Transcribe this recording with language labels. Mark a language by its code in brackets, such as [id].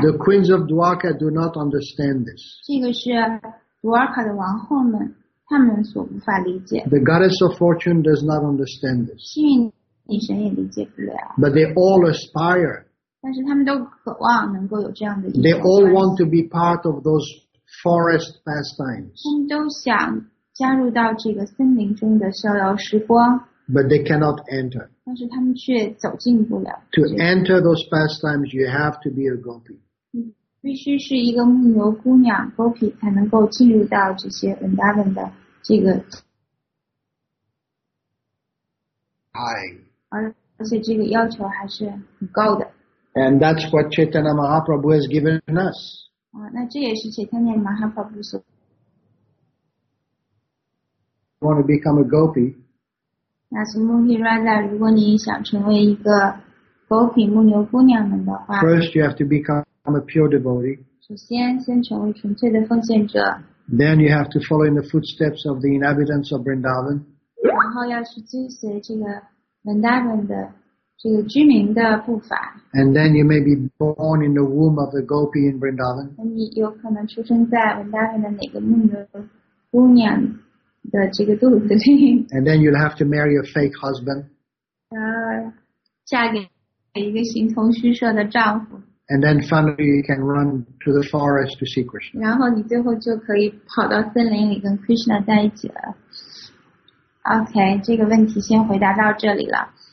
[en] The queens of Dwarka do not understand this. [zh] 这个是 Dwarka 的王后们，他们所无法理解。 [en] The goddess of fortune does not understand this. [zh] 幸运女神也理解不了。 [en] But they all aspire. [zh] 但是他们都渴望能够有这样的。 [en] They all want to be part of those forest pastimes. [zh] 他们都想加入到这个森林中的逍遥时光。 [en] But they cannot enter. [zh] 但是他们却走进不了。 [en] To enter those pastimes, you have to be a gopi. [zh] 必须是一个牧牛姑娘 gopi 才能够进入到这些 Vrindavan 的这个。而且这个要求还是很高的。 [en] And that's what Chaitanya Mahaprabhu has given us. [zh] 那这也是 Chaitanya Mahaprabhu 所。 [en] Want to become a gopi? [zh] 那是目的 ，Rather， 如果你想成为一个 Gopi 牧牛姑娘们的话 [en] ，First you have to become a pure devotee. [zh] 首先，先成为纯粹的奉献者。 [en] Then you have to follow in the footsteps of the inhabitants of Vrindavan. [zh] 然后要去追随这个 Vrindavan 的这个居民的步伐。 [en] And then you may be born in the womb of a Gopi in Vrindavan. [zh] 你有可能出生在 Vrindavan 的哪个牧牛姑娘？的这个肚子里。 [en] And then you'll have to marry a fake husband. [zh] 嫁给一个形同虚设的丈夫。 [en] And then finally you can run to the forest to see Krishna. [zh] 然后你最后就可以跑到森林里跟 Krishna 在一起了。 OK, 这个问题先回答到这里了。